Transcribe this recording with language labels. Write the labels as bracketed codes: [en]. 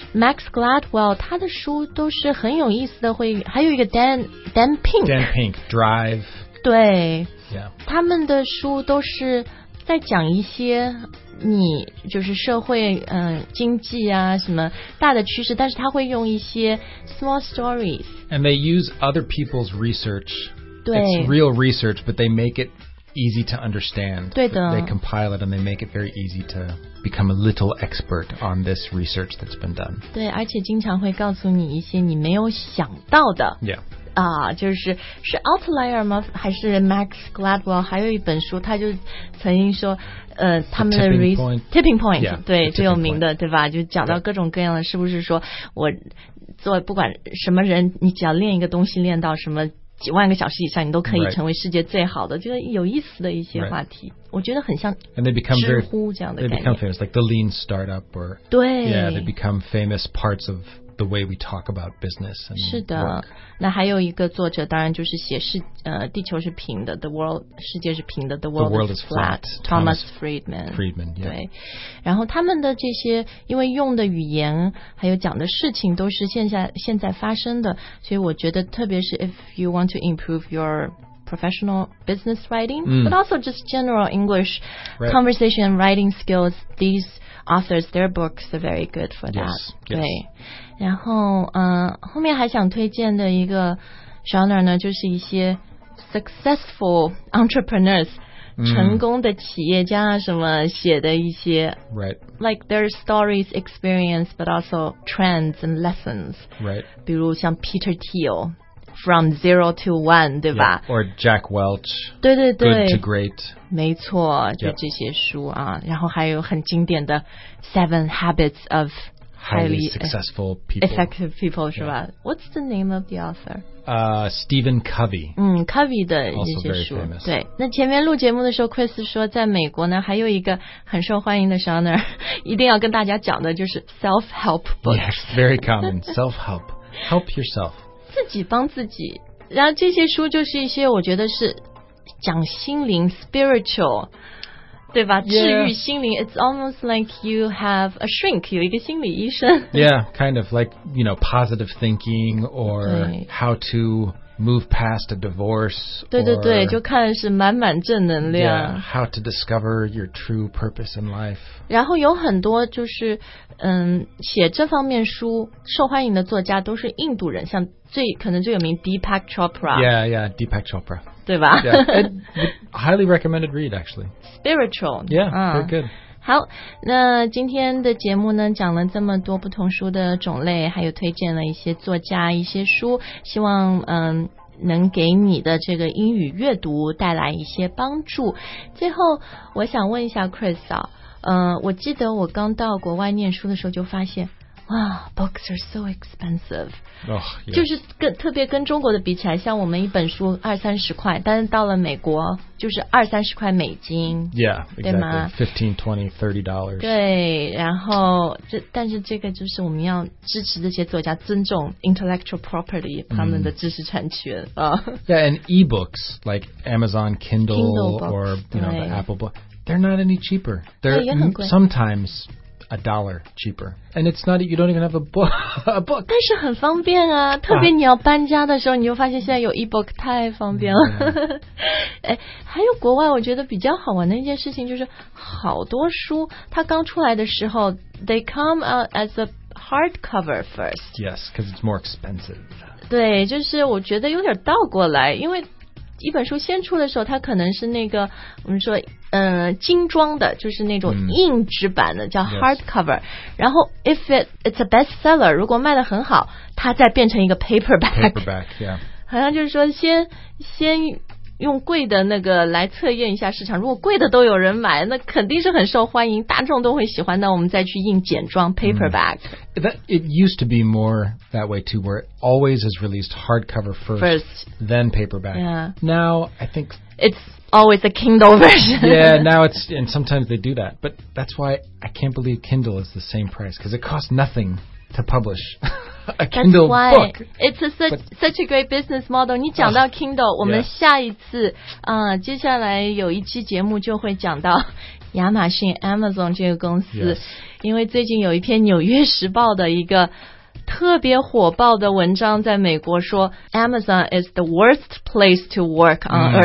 [zh] Max Gladwell 他的书都是很有意思的会还有一个 Dan Pink [en] Drive [zh] 对、 [en] yeah. [zh] 他们的书都是在讲一些你就是社会经济啊什么大的趋势但是他会用一些 [en] small stories and they use other people's research [zh] 对 [en] it's real research but they make it easy to understand [zh] 对的 [en] they compile it and they make it very easy to become a little expert on this research that's been done [zh] 对而且经常会告诉你一些你没有想到的 [en] yeah [zh] 就是是 outlier 吗还是 Max Gladwell 还有一本书他就曾经说他们的 [en] tipping point yeah, [zh] 对最有名的对吧就讲到各种各样的、 [en] yeah. [zh] 是不是说我做不管什么人你只要练一个东西练到什么几万个小时以上你都可以成为世界最好的、 [en] right. [zh] 这个有意思的一些话题、 [en] right. [zh] 我觉得很像知乎这样的概念 [en] they become famous like the lean startup or [zh] 对 [en] yeah they become famous parts of the way we talk about business. [zh] 是的，那还有一个作者，当然就是写是地球是平的 ，the world 世界是平的 ， [en] the world is flat. Thomas Friedman. Friedman. [zh] 对，然后他们的这些，因为用的语言还有讲的事情都是现在发生的，所以我觉得特别是 [en] if you want to improve your professional business writing,、 [zh] mm. [en] but also just general English、 right. conversation and writing skills, these. Authors, their books are very good for that. Yes, yes. [zh] 对，然后后面还想推荐的一个 genre 呢，就是一些 [en] successful entrepreneurs,、 [zh] mm. 成功的企业家什么写的一些 [en] right, like their stories, experience, but also trends and lessons. Right. [zh] 比如像 Peter Thiel, From Zero to One, 对吧、 [en] yeah. Or Jack Welch. [zh] 对对对。 [en] Good to Great. [zh] 没错，就这些书啊， yep. 然后还有很经典的 Seven Habits of [en] Highly Successful People, Effective People、yeah. [zh] 是吧？ [en] What's the name of the author? Stephen Covey. [zh] 嗯 ，Covey 的这些书。对，那前面录节目的时候 ，Chris 说在美国呢还有一个很受欢迎的 genre， 一定要跟大家讲的就是 [en] self help books. Yes, very common. Self help, help yourself. [zh] 自己帮自己，然后这些书就是一些我觉得是。讲心灵 spiritual 对吧、 [en] yeah. [zh] 治愈心灵 [en] it's almost like you have a shrink [zh] 有一个心理医生 [en] yeah kind of like you know positive thinking or how to move past a divorce [zh] 对对对就看是满满正能量 [en] yeah how to discover your true purpose in life [zh] 然后有很多就是写这方面书受欢迎的作家都是印度人像最可能最有名 Deepak Chopra [en] yeah yeah Deepak Chopra [zh] 对吧 [en] yeah, highly recommended read actually spiritual yeah very good [zh] 好那今天的节目呢讲了这么多不同书的种类还有推荐了一些作家一些书希望能给你的这个英语阅读带来一些帮助最后我想问一下 Chris 啊我记得我刚到国外念书的时候就发现哇 [en] books are so expensive、 oh, yeah. [zh] 就是跟特别跟中国的比起来像我们一本书二三十块但是到了美国就是二三十块美金 [en] yeah, [zh] 对吗、 [en] exactly. $15, $20, $30 [zh] 对然后这但是这个就是我们要支持这些作家尊重 [en] intellectual property [zh] 他们的知识产权、mm. [en] yeah and ebooks like Amazon Kindle books, or you know, the Apple book they're not any cheaper they're sometimes a dollar cheaper and it's not you don't even have a book [zh] 但是很方便啊特别你要搬家的时候你就发现现在有 ebook 太方便了、 [en] yeah. [zh] 哎，还有国外我觉得比较好玩的一件事情就是好多书它刚出来的时候 [en] they come out as a hardcover first yes because it's more expensive [zh] 对就是我觉得有点倒过来因为一本书先出的时候它可能是那个我们说精装的就是那种硬纸版的、mm. 叫 hardcover、 [en] yes. [zh] 然后 [en] if it's a bestseller [zh] 如果卖得很好它再变成一个 paperback [en] paperback yeah [zh] 好像就是说先用贵的那个来测验一下市场如果贵的都有人买那肯定是很受欢迎大众都会喜欢那我们再去印简装 paperback、mm. [en] it used to be more that way too where it always is released hardcover first then paperback、 yeah. now I think it'sAlways a Kindle version. Yeah, now it's, and sometimes they do that. But that's why I can't believe Kindle is the same price, because it costs nothing to publish a Kindle book. That's why it's such a great business model. [zh] 你讲到 Kindle, 我们下一次、 [en] yeah. [zh] 接下来有一期节目就会讲到亚马逊 Amazon 这个公司、 [en] yes. [zh] 因为最近有一篇纽约时报的一个特别火爆的文章在美国说 [en] Amazon is the worst place to work on earth、